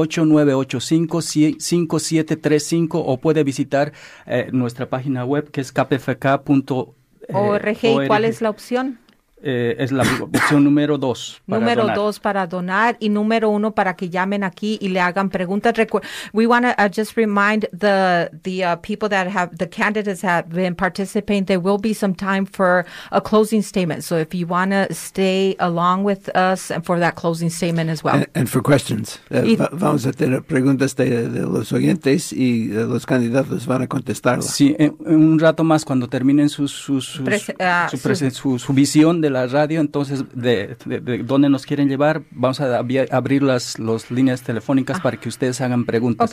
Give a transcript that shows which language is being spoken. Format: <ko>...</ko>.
<es>818-985-5735, o puede visitar nuestra página web, que es kpfk.org. ORG, ¿y cuál es la opción? Es la opción número 2. Número 2 para donar y número 1 para que llamen aquí y le hagan preguntas.</es> <en>We want to just remind the people that have, the candidates have been participating, there will be some time for a closing statement. So if you want to stay along with us and for that closing statement as well. And for questions.</en> <es>Vamos a tener preguntas de los oyentes y los candidatos van a contestarlas. Sí, en un rato más cuando terminen su visión de la radio, entonces de dónde nos quieren llevar, vamos a abrir las líneas telefónicas para que ustedes hagan preguntas.</es>